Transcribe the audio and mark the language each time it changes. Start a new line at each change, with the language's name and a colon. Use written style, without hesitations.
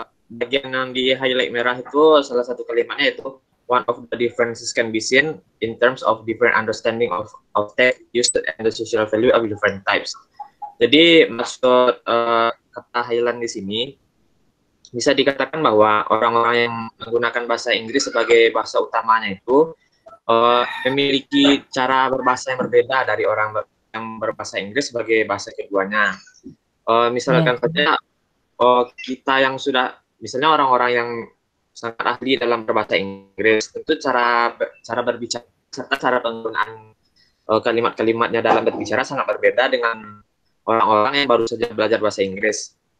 Indonesian: Bagian yang di highlight merah itu salah satu kalimatnya itu.
English: One of the differences can be seen in terms of different understanding of text used and the social value of different types.
Indonesian: Jadi maksud kata Highland di sini bisa dikatakan bahwa orang-orang yang menggunakan bahasa Inggris sebagai bahasa utamanya itu memiliki cara berbahasa yang berbeda dari orang yang berbahasa Inggris sebagai bahasa keduanya. Misalkan saja kita yang sudah, misalnya orang-orang yang sangat ahli dalam berbahasa Inggris, tentu cara berbicara serta cara penggunaan kalimat-kalimatnya dalam berbicara sangat berbeda dengan orang-orang yang baru saja belajar bahasa Inggris.